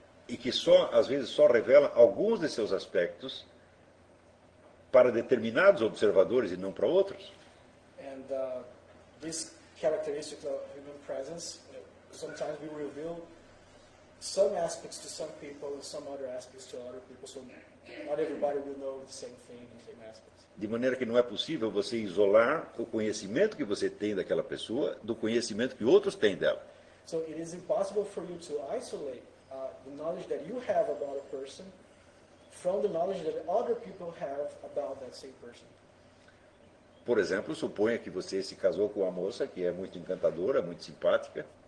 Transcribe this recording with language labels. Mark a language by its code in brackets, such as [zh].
[pt] E que só às vezes só revela alguns de seus aspectos para determinados observadores e não para outros. [en] And this characteristic of human presence sometimes we reveal some aspects to some people and some other aspects to other people. So not everybody will know the same thing and same aspects. [pt] De maneira que não é possível você isolar o conhecimento que você tem daquela pessoa do conhecimento que outros têm dela. [en] So it is impossible for you to isolate the knowledge that you have about a person from the knowledge that other people have about that same person. [pt] Por exemplo, suponha que você se casou com uma moça que é muito encantadora, muito simpática.